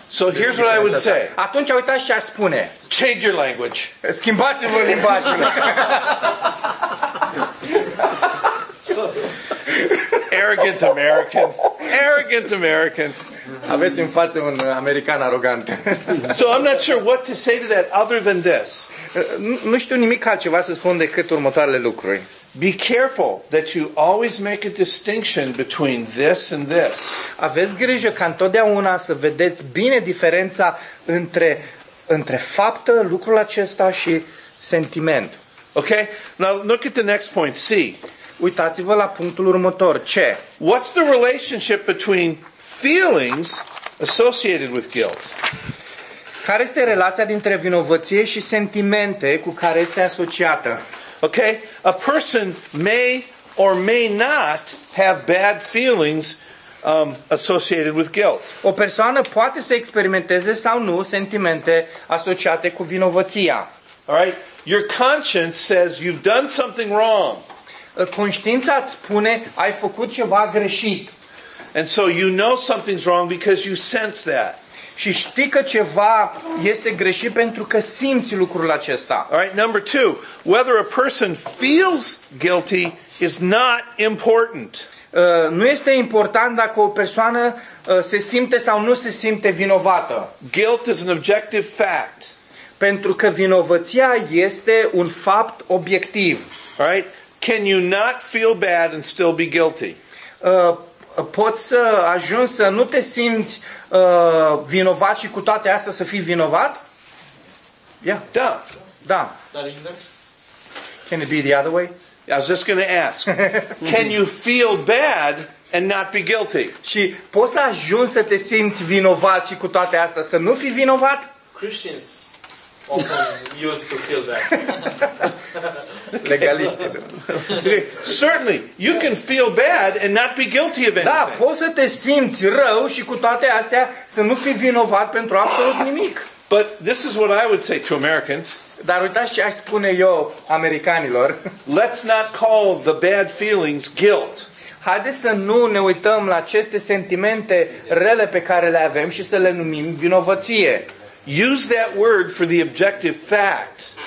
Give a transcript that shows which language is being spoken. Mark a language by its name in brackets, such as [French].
[English] So here's what I would say. [Romanian] Atunci uitați ce ar spune. [English] Change your language. [Romanian] Schimbați-vă limbajul. [English] Arrogant American. Arrogant American. [Romanian] Aveți în față un american arogant. [English] So I'm not sure what to say to that other than this. [Romanian] Nu știu nimic altceva să spun decât următoarele lucruri. [English] Be careful that you always make a distinction between this and this. [Romanian] Aveți grijă ca întotdeauna să vedeți bine diferența între faptă, lucrul acesta și sentiment. [English] Okay? Now look at the next point, C. [Romanian] Uitați-vă la punctul următor, C. [English] What's the relationship between feelings associated with guilt? [Romanian] Care este relația dintre vinovăție și sentimente cu care este asociată? [English] Okay, a person may or may not have bad feelings associated with guilt. [Romanian] O persoană poate să experimenteze sau nu sentimente asociate cu vinovăția. [English] All right, your conscience says you've done something wrong. [Romanian] Conștiința îți spune ai făcut ceva greșit. [English] And so you know something's wrong because you sense that. [Romanian] Și știi că ceva este greșit pentru că simți lucrul acesta. [English] All right, number two. Whether a person feels guilty is not important. [Romanian] Nu este important dacă o persoană se simte sau nu se simte vinovată. [English] Guilt is an objective fact. [Romanian] Pentru că vinovăția este un fapt obiectiv. [English] All right? Can you not feel bad and still be guilty? [Romanian] Poți să ajungi să nu te simți vinovat și cu toate astea să fii vinovat? [English] Yeah. [Romanian] Da. Da. [English] Can it be the other way? I was just going to ask. Can you feel bad and not be guilty? [Romanian] Și poți să ajungi să te simți vinovat și cu toate astea să nu fii vinovat? [English] Christians often used to feel that. [Romanian] Legaliste. [English] Certainly, you can feel bad and not be guilty of anything. [Romanian] Da, poți să te simți rău și cu toate astea să nu fii vinovat pentru absolut nimic. [English] But this is what I would say to Americans. [Romanian] Dar uitați ce aș spune eu americanilor. [English] Let's not call the bad feelings guilt. [Romanian] Haideți să nu ne uităm la aceste sentimente rele pe care le avem și să le numim vinovăție. [English] Use that word for the objective fact.